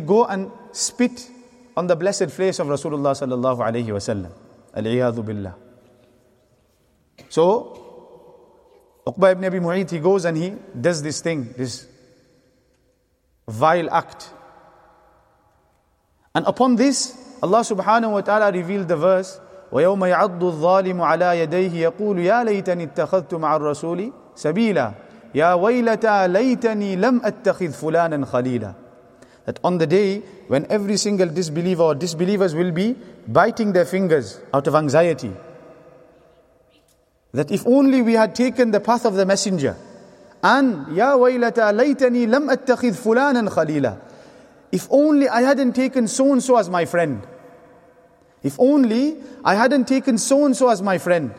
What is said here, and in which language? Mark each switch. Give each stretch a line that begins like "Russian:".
English: Go and spit on the blessed face of Rasulullah sallallahu alayhi wa sallam. Al-iyadu billah. So Uqbah ibn Abi Mu'ayth, he goes and he does this thing, this vile act. And upon this, Allah subhanahu wa ta'ala revealed the verse,
Arabic: وَيَوْمَ يَعَضُّ الظَّالِمُ عَلَى يَدَيْهِ يَقُولُ يَا لَيْتَنِي اتَّخَذْتُ مَعَ الرَّسُولِ سَبِيلًا يَا وَيْلَتَا لَيْتَنِي لَمْ أَتَّخِذْ فُلَانًا خَلِيلًا.
English: That on the day when every single disbeliever or disbelievers will be biting their fingers out of anxiety, that if only we had taken the path of the messenger, and
Arabic: ya waylata laytani lam attakhidh fulanan khalila,
English: if only I hadn't taken so and so as my friend, if only I hadn't taken so and so as my friend.